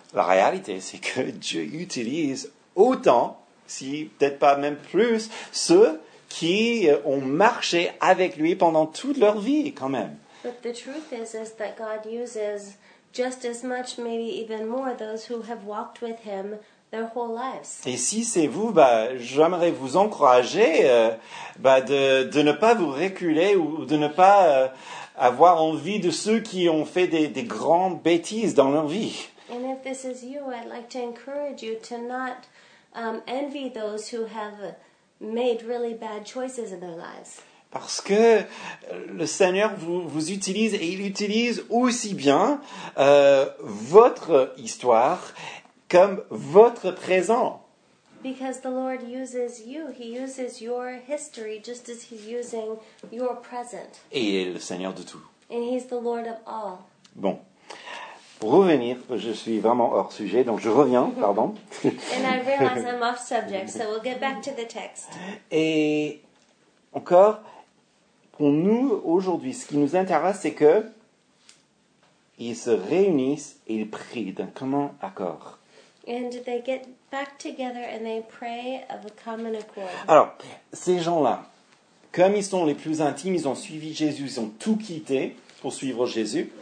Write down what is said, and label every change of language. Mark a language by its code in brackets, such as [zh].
[fr] La réalité, c'est que Dieu utilise autant, si peut-être pas même plus, ceux qui ont marché avec lui pendant toute leur vie, quand même. [en] But the truth is that God uses just as much, maybe even more, those who have walked with him their whole lives. [fr] Et si c'est vous, bah, j'aimerais vous encourager de ne pas vous reculer ou de ne pas avoir envie de ceux qui ont fait des grandes bêtises dans leur vie. [en] And if this is you, I'd like to encourage you to not envy those who have made really bad choices in their lives. [fr] Parce que le Seigneur vous utilise et il utilise aussi bien votre histoire comme votre présent. [en] Because the Lord uses you, he uses your history just as he's using your present. [fr] Et il est le Seigneur de tout. [en] And he's the Lord of all. [fr] Bon. Pour revenir, je suis vraiment hors sujet, donc je reviens, pardon. [en] And I realize I'm off subject, so we'll get back to the text. [fr] Et encore, pour nous, aujourd'hui, ce qui nous intéresse, c'est que ils se réunissent et ils prient d'un commun accord. [en] And they get back together and they pray of a common accord. [fr] Alors, ces gens-là, comme ils sont les plus intimes, ils ont suivi Jésus, ils ont tout quitté pour suivre Jésus.